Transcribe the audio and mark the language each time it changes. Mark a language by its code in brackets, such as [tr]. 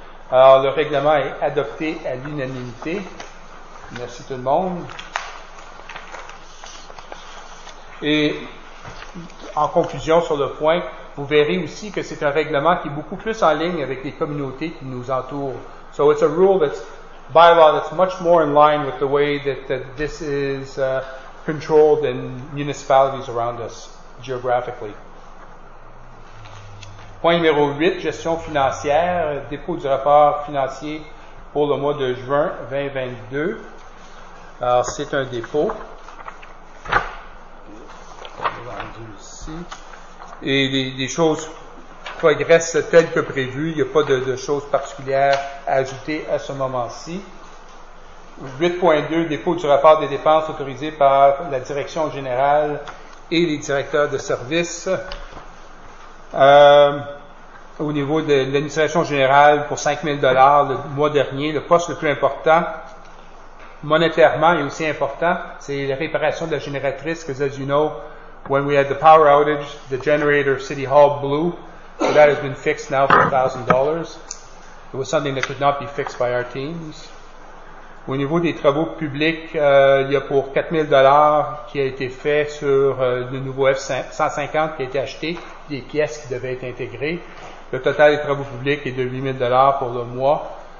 [fr] Alors, le règlement est adopté à l'unanimité. Merci tout le monde. Et en conclusion sur le point, vous verrez aussi que c'est un règlement qui est beaucoup plus en ligne avec les communautés qui nous entourent. [en] So it's a rule that's bylaw that's much more in line with the way that this is controlled in municipalities around us geographically. [fr] Point numéro 8, gestion financière, dépôt du rapport financier pour le mois de juin 2022. Alors, c'est un dépôt. Et les choses progressent telles que prévues. Il n'y a pas de choses particulières à ajouter à ce moment-ci. 8.2, dépôt du rapport des dépenses autorisées par la direction générale et les directeurs de services. Au niveau de l'administration générale, pour 5 000 $ le mois dernier, le poste le plus important, monétairement et aussi important, c'est la réparation de la génératrice, que, [en] as you know, when we had the power outage, the generator City Hall blew. So that has been fixed now for $1,000. It was something that could not be fixed by our teams. [fr] Au niveau des travaux publics, il y a pour 4 000 $ qui a été fait sur le nouveau F-150 qui a été acheté, des pièces qui devaient être intégrées. Le total des travaux publics est de 8 000 $ pour le mois.